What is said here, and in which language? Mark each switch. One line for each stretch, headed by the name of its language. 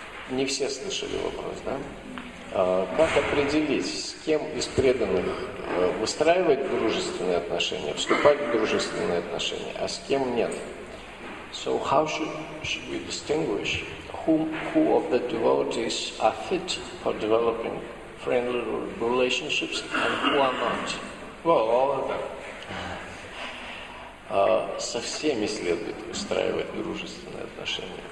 Russian: Не все слышали вопрос, да? Как определить, с кем из преданных выстраивать дружественные отношения, вступать в дружественные отношения, а с кем нет?
English: So how should we distinguish who of the devotees are fit for developing friendly relationships and who are not? Well, all of them.
Russian: Со всеми следует выстраивать дружественные отношения.